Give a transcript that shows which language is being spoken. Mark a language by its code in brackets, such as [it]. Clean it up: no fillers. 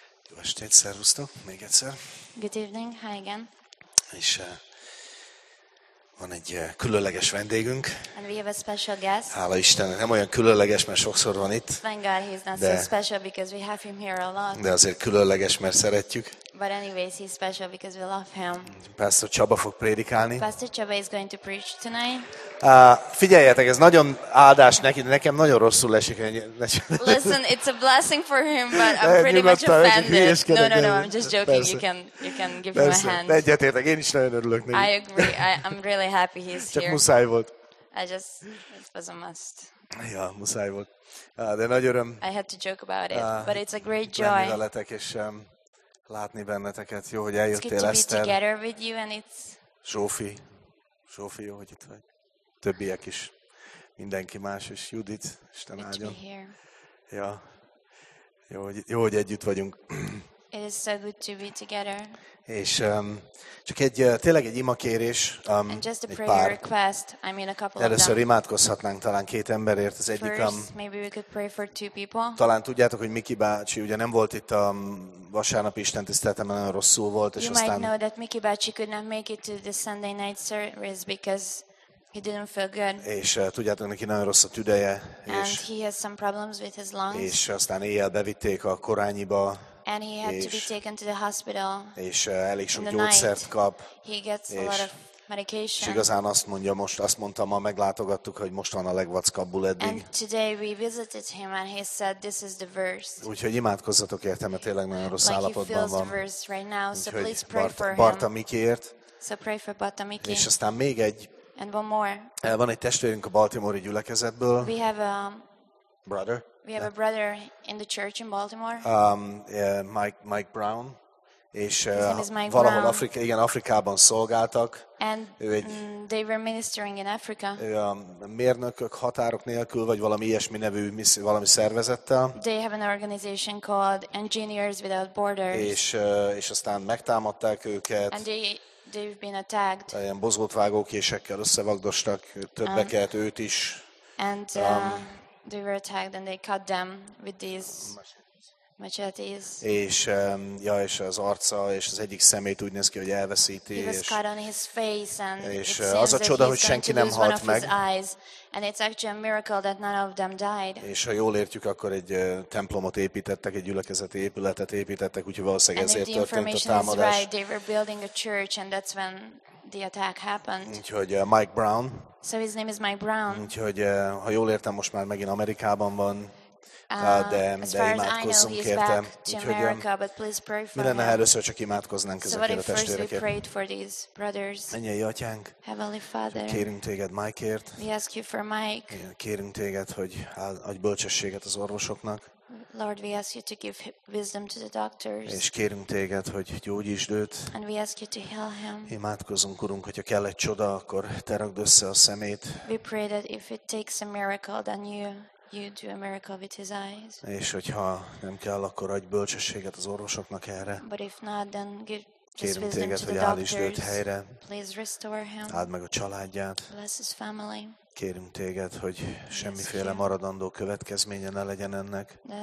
[hu] Jó estét, szervusztok, még egyszer. [en] Good evening, hi again. [hu] És van egy különleges vendégünk. [en] And we have a special guest. [hu] Hála Istennek, nem olyan különleges, mert sokszor van itt. [en] Thank God he's not so special because we have him here a lot. [hu] De azért különleges, mert szeretjük. [en] But anyways, he's special because we love him. [hu] Pastor Csaba fog prédikálni. [en] Pastor Csaba is going to preach tonight. [hu] Figyeljetek, ez nagyon áldás neki, de nekem nagyon rosszul esik. [en] Listen, it's a blessing for him, but I'm pretty much offended. No, I'm just joking. [hu] Persze. [en] You can give [hu] persze. [en] Him a hand. [hu] Egyetértek, én is nagyon örülök neki. [en] I agree. I'm really happy he's [hu] csak [en] here. [hu] Csak muszáj volt. [en] It was a must. [hu] Ja, muszáj volt. De nagy öröm. [en] I had to joke about it, but it's a great joy. [hu] Lenni veletek, és látni benneteket. Jó, hogy eljöttél, Eszter. [en] It's good to be together with you, and it's... [hu] Zsófi. Zsófi, jó, hogy itt vagy. Többiek is. Mindenki más is. Judit, Isten áldjon. [en] Good to be here. [hu] Ja. Jó, hogy együtt vagyunk. [en] It is so good to be together. [hu] És csak egy, tényleg egy imakérés, [en] and just a prayer request. I mean a couple of them. [hu] Először imádkozhatnánk talán két emberért. Az egyik, [en] maybe we could pray for two people. [hu] Talán tudjátok, hogy Miki bácsi ugye nem volt itt a vasárnapi istentiszteleten, mert nagyon rosszul volt, és [en] you [hu] aztán... [en] You might know that Miki bácsi could not make it to the Sunday night service because he didn't feel good. [hu] És tudjátok, neki nagyon rossz a tüdeje. [en] And [hu] és, [en] he has some problems with his lungs. [hu] És aztán éjjel bevitték a Korányiba. [en] And he had to be taken to the hospital. [hu] És elég sok gyógyszert kap. [en] He gets a lot of medication. [hu] És igazán azt mondja most, azt mondta ma, meglátogattuk, hogy most van a legvackabbul eddig. [en] And today we visited him and he said this is the worst. [hu] Úgyhogy imádkozzatok értem, mert tényleg nagyon rossz állapotban van. [en] Like he feels the worst right now, so please pray for him. [hu] Barta Mikiért. [en] So pray for Barta Miki. [hu] És aztán még egy. [en] And one more. [hu] Van egy testvérünk a Baltimore-i gyülekezetből. [en] We have a brother. We have a brother in the church in Baltimore. Mike Brown. És his name is Mike [hu] valahol [en] Brown. [hu] Afrika, igen, Afrikában szolgáltak. [en] And they were ministering in Africa. [hu] Mérnökök határok nélkül vagy valami ilyesmi nevű valami szervezettel. [en] They have an organization called Engineers Without Borders. [hu] És aztán megtámadták őket. [en] And they've been attacked. [hu] Ilyen bozótvágókésekkel összevagdostak többeket, őt is. [en] And they were attacked and they cut them with these machetes. [hu] És ja, és az arca és az egyik szemét úgy néz ki, hogy elveszíti. [en] He was cut on his face and [hu] és az a csoda, hogy senki nem halt meg. [en] And it's actually a miracle that none of them died. [hu] És ha jól értjük, akkor egy templomot építettek, egy gyülekezeti épületet építettek, úgyhogy valószínűleg ezért történt a támadás. [en] And if the information is right, they were the attack happened. [hu] Úgyhogy Mike Brown. So his name is Mike Brown. Úgyhogy ha jól értem, most már megint Amerikában van. De imádkozzunk érte. Úgyhogy mi lenne, ha először csak imádkoznánk ezekért a testvérekért? [en] So what if first we prayed for these brothers? [hu] Mennyei Atyánk, [en] Heavenly Father, [hu] kérünk téged Mike-ért. [en] We ask you for Mike. [hu] Kérünk téged, hogy adj bölcsességet az orvosoknak. [en] Lord, we ask you to give wisdom to the doctors. [hu] És kérünk téged, hogy gyógyítsd őt. [en] And we ask you to heal him. [hu] Imádkozunk, Urunk, hogyha kell egy csoda, akkor te rakd össze a szemét. [en] We pray that if it takes a miracle, then you do a miracle with his eyes. [hu] És hogyha nem kell, akkor adj bölcsességet az orvosoknak erre. [en] But if not, then give [hu] kérünk [en] wisdom [hu] téged, [en] to [hu] hogy állítsd őt helyre. [en] Please restore him. [hu] Áld meg a családját. [en] Bless his family. [hu] Kérünk téged, hogy semmiféle maradandó következménye ne legyen ennek.